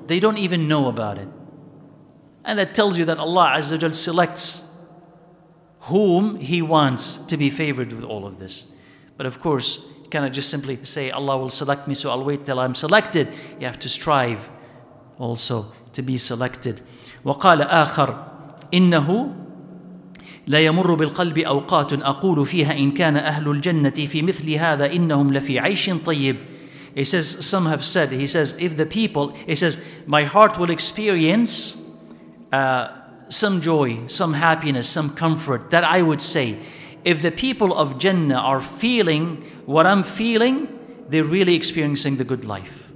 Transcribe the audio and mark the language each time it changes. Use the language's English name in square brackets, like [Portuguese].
[English] They don't even know about it. And that tells you that Allah Azza wa Jal selects whom He wants to be favored with all of this. But of course, you cannot just simply say, Allah will select me, so I'll wait till I'm selected. You have to strive also to be selected. [Arabic] وَقَالَ آخر إِنَّهُ لا يمر بالقلب أوقات أقول فيها إن كان أهل الجنة في مثل هذا إنهم لفي عيش طيب. [English] He says, some have said, he says, if the people, he says, my heart will experience some joy, some happiness, some comfort, that I would say, if the people of Jannah are feeling what I'm feeling, they're really experiencing the good life.